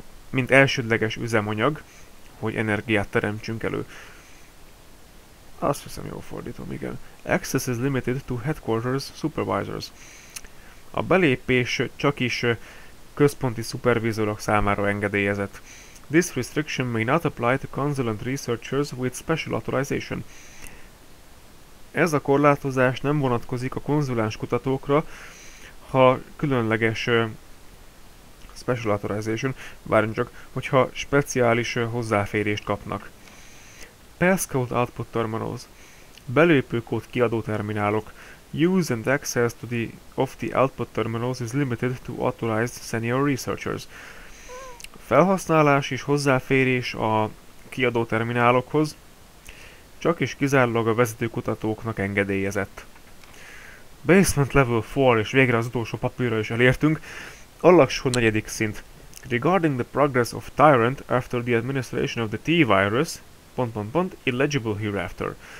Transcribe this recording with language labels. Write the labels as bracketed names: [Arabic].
[Hungarian] mint elsődleges üzemanyag, hogy energiát teremtsünk elő. Azt hiszem, jól fordítom, igen. [English] Access is limited to headquarters supervisors. [Hungarian] A belépés csak is központi szupervizorok számára engedélyezett. [English] This restriction may not apply to consultant researchers with special authorization. [Hungarian] Ez a korlátozás nem vonatkozik a konzuláns kutatókra, ha különleges [English] special authorization, [Hungarian] várjunk csak, hogyha speciális hozzáférést kapnak. [English] Passcode output terminals. [Hungarian] Belépőkód kiadó terminálok. [English] Use and access to the of the output terminals is limited to authorized senior researchers. [Hungarian] Felhasználás és hozzáférés a kiadó terminálokhoz csak és kizárólag a vezető kutatóknak engedélyezett. [English] Basement level 4, [Hungarian] és végre az utolsó papírra is elértünk. Alaksor negyedik szint. [English] Regarding the progress of Tyrant after the administration of the T-virus, illegible hereafter.